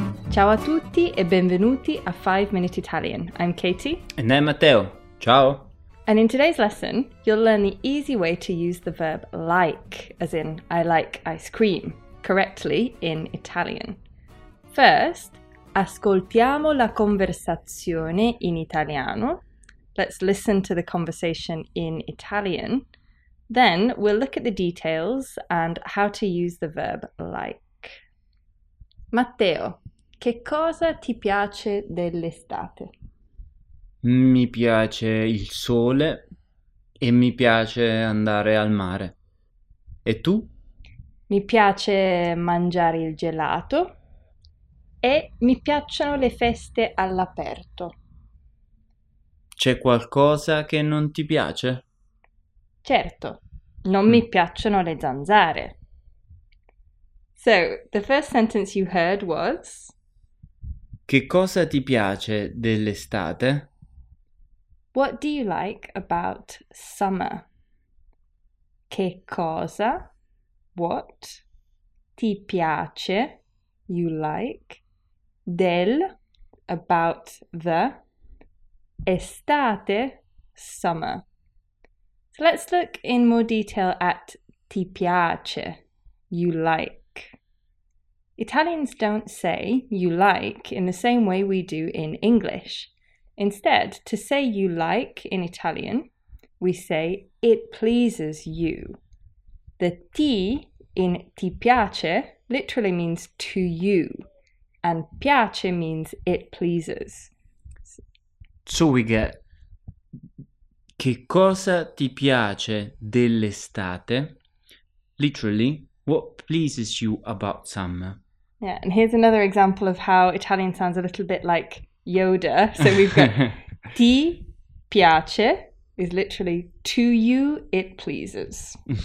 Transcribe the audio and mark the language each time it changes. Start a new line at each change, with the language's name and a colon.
Italian: Ciao a tutti e benvenuti a 5-Minute Italian.
English: I'm Katie. And I'm Matteo. Ciao. And in today's lesson, you'll learn the easy way to use the verb like, as in I like ice cream, correctly in Italian. First,
Italian: ascoltiamo la conversazione in italiano.
English: Let's listen to the conversation in Italian. Then we'll look at the details and how to use the verb like.
Italian: Matteo, che cosa ti piace dell'estate? Mi piace il sole e mi piace andare al mare. E tu? Mi piace mangiare il gelato. E mi piacciono le feste all'aperto. C'è qualcosa che non ti piace? Certo, non mi piacciono le zanzare.
English: So, the first sentence you heard was...
Italian: Che cosa ti piace dell'estate?
English: What do you like about summer?
Italian: Che cosa,
English: what,
Italian: ti piace,
English: you like... Del, about the, estate, summer. So let's look in more detail at
Italian: ti piace,
English: you like. Italians don't say you like in the same way we do in English. Instead, to say you like in Italian, we say it pleases you. The ti in ti piace literally means to you. And piace means it pleases. So we get,
Italian: che cosa ti piace dell'estate?
English: Literally, what pleases you about summer? Yeah, and here's another example of how Italian sounds a little bit like Yoda. So we've got,
Italian: ti piace
English: is literally, to you, it pleases.